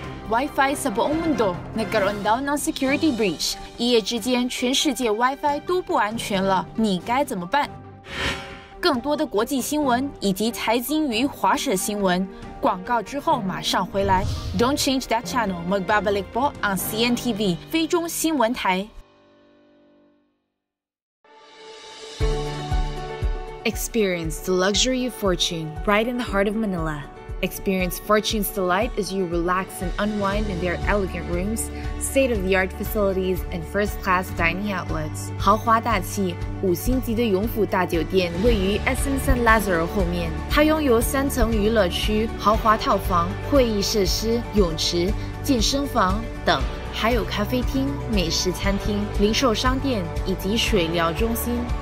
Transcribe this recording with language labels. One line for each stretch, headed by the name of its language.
Filipino: Wi-Fi sa buong mundo nagkaroon daw ng security breach.
Chinese: Iye之间, 全世界 Wi-Fi 都不安全了,你该怎么办? 更多的国际新闻以及财经与华社新闻,广告之后马上回来。
English: Don't change that channel,
Filipino: Magbabalik po
English: on CNTV,
Chinese: 非中新闻台。
English: Experience the luxury of fortune right in the heart of Manila. Experience fortune's delight as you relax and unwind in their elegant rooms, state-of-the-art facilities, and first-class dining outlets.
Chinese: 豪华大气, 5星级的永福大酒店 位于SM San Lazaro 后面, 它拥有3层娱乐区, 豪华套房, 会议设施, 泳池, 健身房, 等, 还有咖啡厅, 美食餐厅, 零售商店, 以及水疗中心。